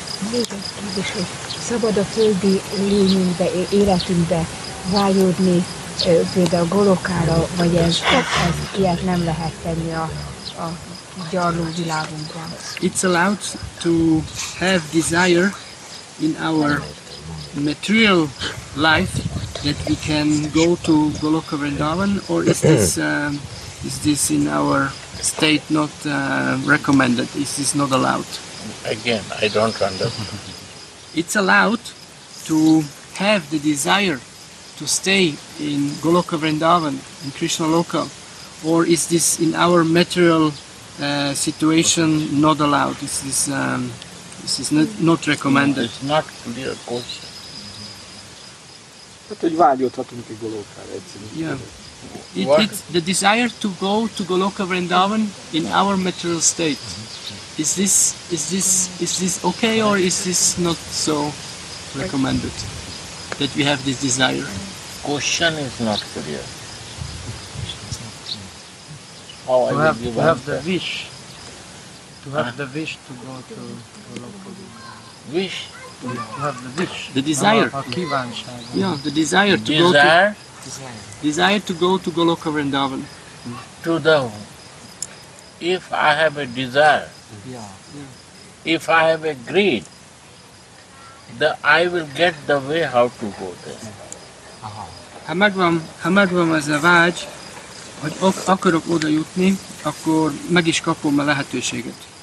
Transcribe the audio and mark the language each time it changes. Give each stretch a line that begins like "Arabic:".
Hungarian: Még egy kérdés, hogy szabad a földi lényünkbe, életünkbe vágyódni például Golokára, vagy ez ilyet nem lehet tenni a gyarló világunkra.
English: It's allowed to have desire in our material life that we can go to Goloka Vrindavan, or is this in our state not recommended? Is this not allowed? Again, I don't understand. It's allowed to have the desire to stay in Goloka Vrindavan, in Krishna Loka, or is this in our material situation not allowed? This is not recommended. It's not clear question.
Hungarian: Hát, hogy vágyódhatunk egy Golokára egyszerűen.
English: Yeah. It's the desire to go to Goloka Vrindavan in our material state. Is this okay, or is this not so recommended that we have this desire? Question is not clear. You have the wish. To have the wish to go to Goloka. Wish. To have the wish. The desire. Yeah, the desire to go to. Desire to go to Goloka Vrindavan. To the. If I have a desire, if I have a greed, I will get the way how to go there.
Hungarian: Ha megvan ez a vágy, hogy akarok oda jutni, akkor meg is kapom a lehetőséget.